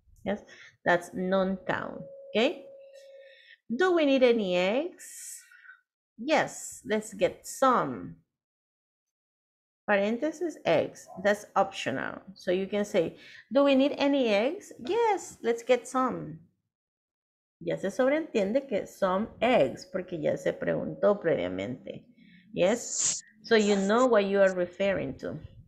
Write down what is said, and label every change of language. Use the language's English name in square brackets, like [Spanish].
[English] Yes, that's non-count. Okay, do we need any eggs? Yes, let's get some. Parenthesis, eggs, that's optional. So you can say, do we need any eggs? Yes, let's get some. [Spanish] Ya se sobreentiende que son eggs, porque ya se preguntó previamente. [English] Yes? So you know what you are referring to.